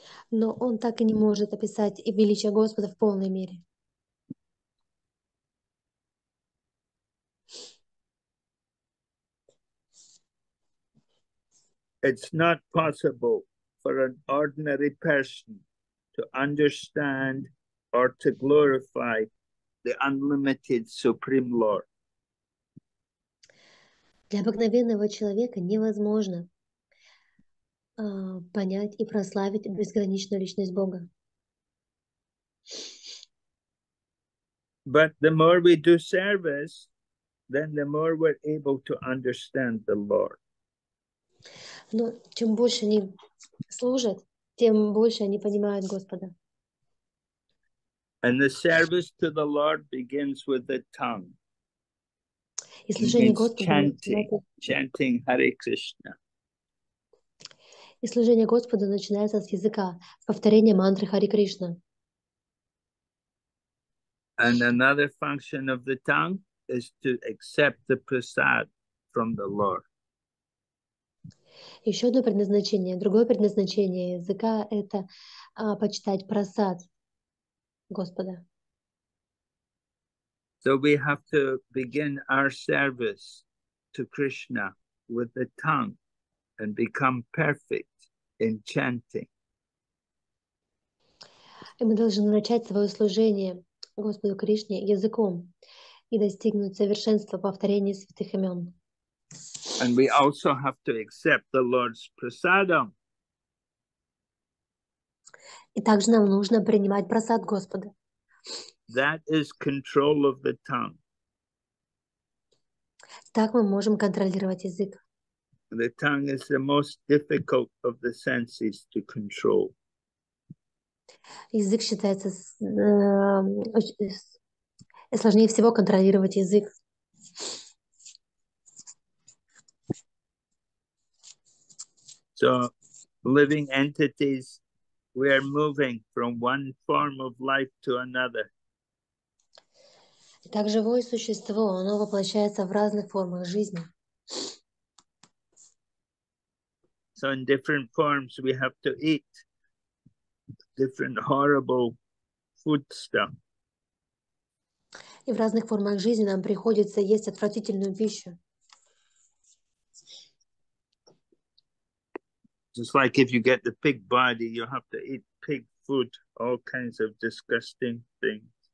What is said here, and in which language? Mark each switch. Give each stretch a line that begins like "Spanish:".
Russian: Но он так и не может описать и величие Господа в полной мере.
English: It's not possible for an ordinary person to understand or to glorify the unlimited Supreme Lord.
Russian: Для обыкновенного человека невозможно понять и прославить безграничную личность Бога.
English: But the more we do service, then the more we're able to understand the Lord.
Russian: Но чем больше они служат, тем больше они понимают Господа.
English: And the service to the Lord begins with the tongue.
Russian: И
English: It
Russian: служение
English: means
Russian: Господу
English: chanting Hare Krishna.
Russian: И служение Господу начинается с языка, с повторения мантры Хари Кришна.
English: And another function of the tongue is to accept the prasad from the Lord.
Russian: Еще одно предназначение, другое предназначение языка – это почитать прасад Господа.
English: So we have to begin our service to Krishna with the tongue and become perfect in chanting.
Russian: И мы должны начать свое служение Господу Кришне языком и достигнуть совершенства повторения святых имен.
English: And we also have to accept the Lord's prasadam.
Russian: И также нам нужно принимать прасад Господа.
English: That is control of the tongue.
Russian: Так мы можем контролировать язык.
English: The tongue is the most difficult of the senses to control.
Russian: Язык считается сложнее всего контролировать язык.
English: So, living entities, we are moving from one form of life to another.
Russian: Так живое существо, оно воплощается в разных формах жизни.
English: So in different forms we have to eat different horrible foodstuff.
Russian: И в разных формах жизни нам приходится есть отвратительную пищу.
English: Just like if you get the pig body, you have to eat pig food, all kinds of disgusting things.